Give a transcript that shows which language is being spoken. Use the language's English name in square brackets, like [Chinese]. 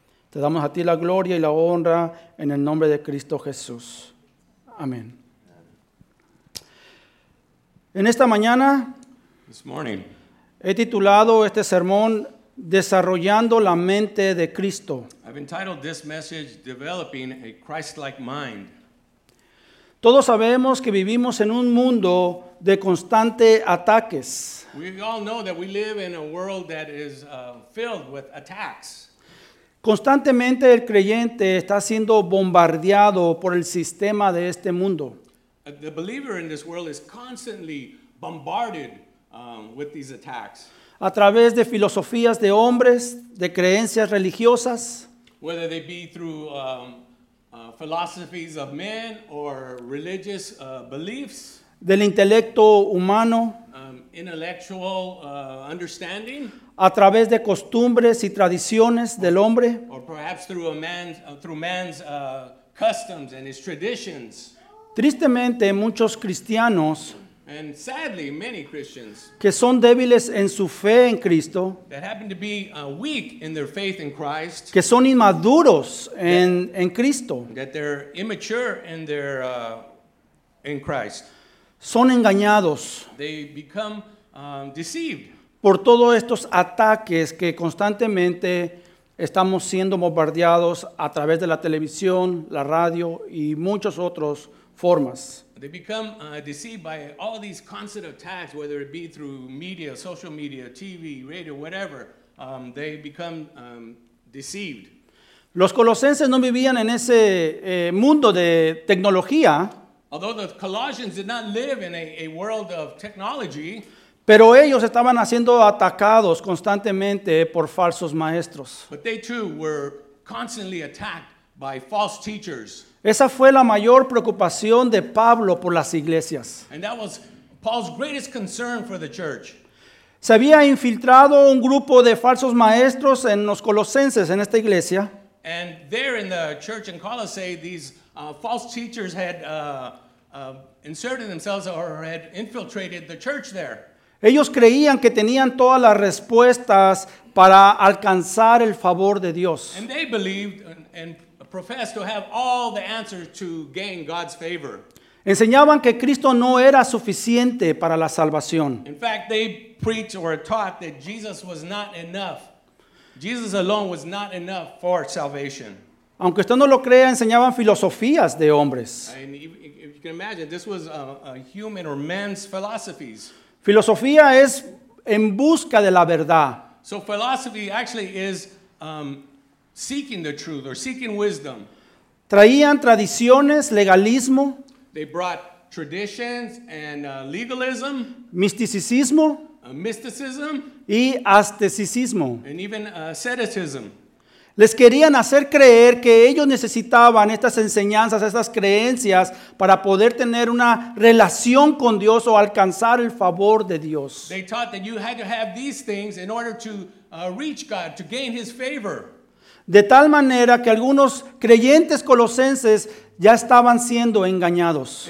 [Spanish] Te damos a ti la gloria y la honra en el nombre de Cristo Jesús. Amén. En esta mañana, [English] this morning, [Spanish] he titulado este sermón Desarrollando la mente de Cristo. [English] I've entitled this message Developing a Christ-like Mind. [Spanish] Todos sabemos que vivimos en un mundo de constante ataques. [English] We all know that we live in a world that is filled with attacks. [Spanish] Constantemente el creyente está siendo bombardeado por el sistema de este mundo. [English] The believer in this world is constantly bombarded with these attacks. [Spanish] A través de filosofías de hombres, de creencias religiosas. [English] Whether they be through philosophies of men or religious beliefs, [Spanish] del intelecto humano, [English] intellectual understanding, [Spanish] a través de costumbres y tradiciones del hombre, [English] or perhaps through man's customs and his traditions. [Spanish] Tristemente, muchos cristianos, [English] and sadly, many Christians, [Spanish] que son débiles en su fe en Cristo, [English] that happen to be weak in their faith in Christ, [Spanish] que son inmaduros en Cristo, [English] that they're immature in their in Christ, [Spanish] son engañados. [English] They become deceived [Spanish] por todos estos ataques que constantemente estamos siendo bombardeados a través de la televisión, la radio y muchos otros formas. [English] They become deceived by all these constant attacks, whether it be through media, social media, TV, radio, whatever. They become deceived. [Spanish] Los colosenses no vivían en ese mundo de tecnología. [English] Although the Colossians did not live in a world of technology, [Spanish] Pero ellos estaban siendo atacados constantemente por falsos maestros. [English] But they too were constantly attacked by false teachers. [Spanish] Esa fue la mayor preocupación de Pablo por las iglesias. [English] And that was Paul's greatest concern for the church. [Spanish] Se había infiltrado un grupo de falsos maestros en los colosenses, en esta iglesia. [English] And there in the church in Colossae, these false teachers had inserted themselves or had infiltrated the church there. [Spanish] Ellos creían que tenían todas las respuestas para alcanzar el favor de Dios. [English] And they believed and professed to have all the answers to gain God's favor. [Spanish] Enseñaban que Cristo no era suficiente para la salvación. [English] In fact, they preached or taught that Jesus was not enough. Jesus alone was not enough for salvation. [Spanish] Aunque usted no lo crea, enseñaban filosofías de hombres. [English] And if you can imagine, this was a human or man's philosophies. [Spanish] Filosofía es en busca de la verdad. [English] So philosophy actually is seeking the truth or seeking wisdom. [Spanish] Traían tradiciones, legalismo. [English] They brought traditions and legalism. [Spanish] Misticismo. [English] Mysticism. [Spanish] Y asceticismo. [English] And even asceticism. [Spanish] Les querían hacer creer que ellos necesitaban estas enseñanzas, estas creencias, para poder tener una relación con Dios o alcanzar el favor de Dios. [English] They taught that you had to have these things in order to reach God, to gain His favor. [Spanish] De tal manera que algunos creyentes colosenses ya estaban siendo engañados.